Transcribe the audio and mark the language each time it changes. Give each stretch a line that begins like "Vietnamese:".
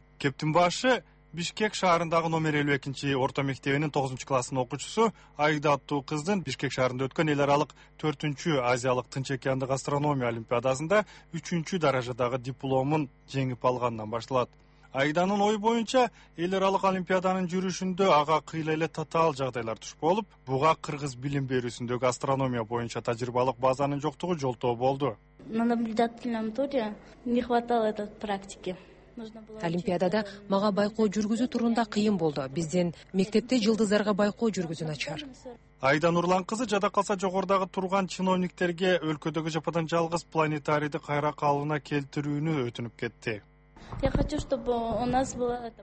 Kyrgyz: Кептин башы Бишкек шаарындагы номер 52 орто мектебинин 9-нчу классынын окуучусу Айда аттуу кыздын Бишкек шаарында өткөн эл аралык 4-нчү азиялык тынч океандык астрономия олимпиадасында 3-нчү даражадагы дипломун жеңип алгандан башталат. Айданын ою боюнча эл аралык олимпиаданын жүрүшүндө ага кыйла эле татаал жагдайлар туш болуп, буга кыргыз билим берүүсүндөгү астрономия боюнча тажрыйбалык базанын жоктугу жолтоо болду.
Russian: Наблюдательная аудитория не хватало этой практики.
Kyrgyz: Олимпиадада мага байкоо жүргүзүү турунда кыйын болду. Биздин мектепте жылдыздарга байкоо жүргүзүү начар. Айда Нурлан кызы жада калса жогорудагы турган чиновниктерге өлкөдөгү жападан жалгыз планетарийди кайра калыбына келтирүүнү өтүнүп кетти.
Russian: Я хочу, чтобы у нас была эта